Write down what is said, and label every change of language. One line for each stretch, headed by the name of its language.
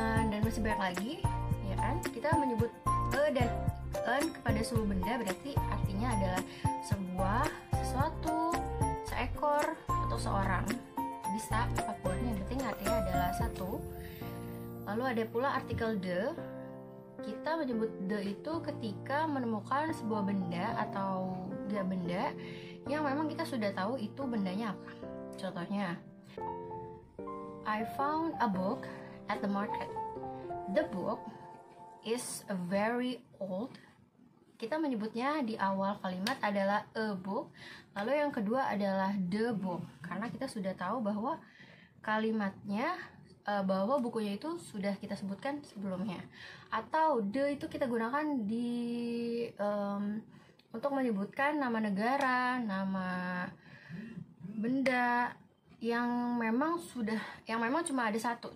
Indonesian: Dan masih banyak lagi, ya kan? Kita menyebut a dan an kepada suatu benda, berarti artinya adalah sebuah sesuatu, seekor atau seorang, bisa apapun, yang penting artinya adalah satu. Lalu ada pula artikel the. Kita menyebut the itu ketika menemukan sebuah benda atau dia benda yang memang kita sudah tahu itu bendanya apa.
English: Contohnya, I found a book at the market. The book is very old.
Indonesian: Kita menyebutnya di awal kalimat adalah a book, lalu yang kedua adalah the book, karena kita sudah tahu bahwa kalimatnya, bahwa bukunya itu sudah kita sebutkan sebelumnya. Atau the itu kita gunakan di untuk menyebutkan nama negara, nama benda yang memang sudah, yang memang cuma ada satu.